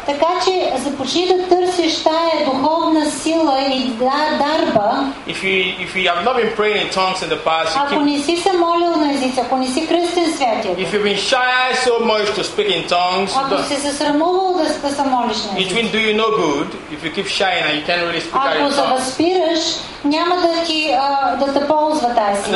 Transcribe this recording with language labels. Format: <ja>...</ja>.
<bg>Така че започни да търсиш тая духовна сила и дарба.</bg> <en>If you have not been praying in tongues in the past,</en> <bg>ако не си се молил на езици, ако не си кръстен святия.</bg> <en>If you've been shy so much to speak in tongues,</en> <bg>ако си се срамувал да се молиш на езици.</bg> <en>It will do you no good if you keep shy and you can't really speak in tongues.</en> <bg>Ако се възпираш, няма да ти да те ползва тази сила.</bg>